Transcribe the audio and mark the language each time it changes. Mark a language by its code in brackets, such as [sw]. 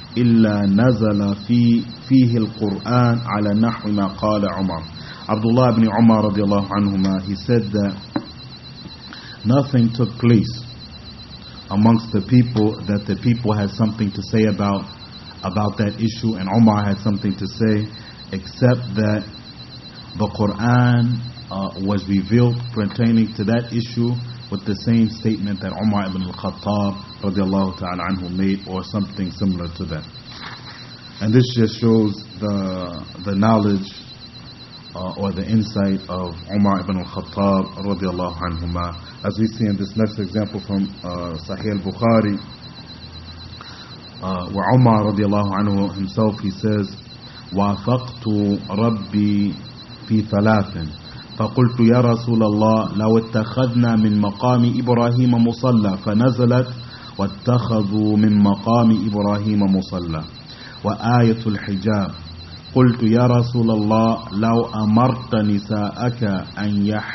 [ar] إلا نزل فيه القرآن على نحو ما قال عمر. [en] Abdullah ibn Umar radiallahu anhuma, he said that nothing took place amongst the people that the people had something to say about that issue, and Umar had something to say, except that the Quran was revealed pertaining to that issue with the same statement that Umar ibn al-Khattab radiallahu ta'ala anhu made, or something similar to that. And this just shows the knowledge or the insight of Umar ibn al-Khattab radiallahu anhuma, as we see in this next example from Sahih al-Bukhari, where Umar radiallahu anhu himself, he says, [ar] وَافَقْتُ رَبِّي فِي ثَلَاثٍ فَقُلْتُ يَا رَسُولَ اللَّهِ لَوْ اتَّخَذْنَا مِنْ مَقَامِ إِبْرَاهِيمَ مُصَلَّى فَنَزَلَتْ وَاتَّخَذُوا مِنْ مَقَامِ إِبْرَاهِيمَ مُصَلَّى وَآيَةُ الْحِجَابِ قلت يا رسول الله لو أمرت نساءك أن